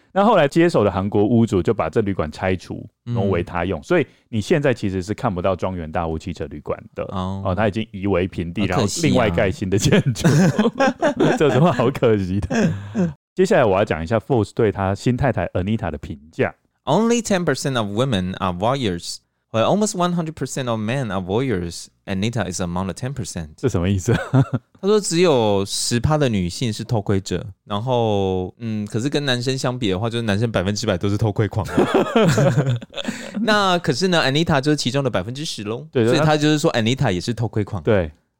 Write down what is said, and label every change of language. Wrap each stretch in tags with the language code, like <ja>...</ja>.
<zh>那后来接手的韩国屋主就把这旅馆拆除挪为他用，所以你现在其实是看不到庄园大屋汽车旅馆的。哦，他已经夷为平地，然后另外盖新的建筑。这有什么好可惜的。接下来我要讲一下 Force 对他新太太 Anita 的评价。</zh> <en>Only 10% of women are warriors, while almost 100% of men are warriors. Anita is among the 10%.</en> <zh>这什么意思？他说只有 10% 的女性是偷窥者，然后可是跟男生相比的话，就是男生100%都是偷窥狂。那可是呢， Anita 就是其中的10%咯。对，所以他就是说 Anita 也是偷窥狂。对，</zh>